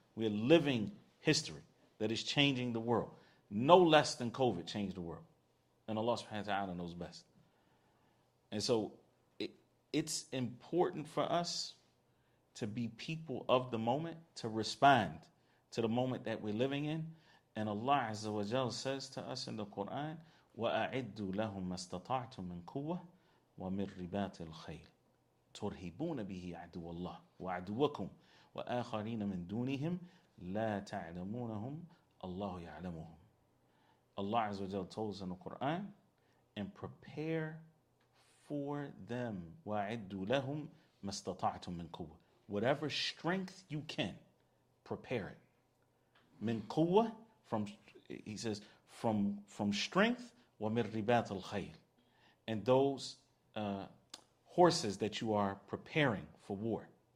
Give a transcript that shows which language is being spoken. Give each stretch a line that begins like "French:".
English: We're living history that is changing the world. No less than COVID changed the world. And Allah subhanahu wa ta'ala knows best. And so it's important for us to be people of the moment, to respond to the moment that we're living in. And Allah Azza wa Jal says to us in the Quran,
Arabic: وَأَعِدُّوا لَهُمْ مَا اسْتَطَعْتُمْ مِنْ قُوَّةٍ وَمِنْ رِبَاطِ الْخَيْلِ تُرْهِبُونَ بِهِ عَدُوَ اللَّهِ وَعَدُوَكُمْ وَآخَرِينَ مِنْ دُونِهِمْ لَا تَعْلَمُونَهُمْ اللَّهُ يَعْلَمُهُمْ.
English: Allah Azza wa Jal told us in the Quran, and prepare for them,
Arabic: وَأَعِدُّوا لَهُمْ مَا اسْتَطَعْتُمْ مِنْ قُوَّةٍ,
English: whatever strength you can, prepare it.
Arabic: Min quwwah,
English: from, he says, from strength,
Arabic: wa min ribat al khayl,
English: and those horses that you are preparing for war.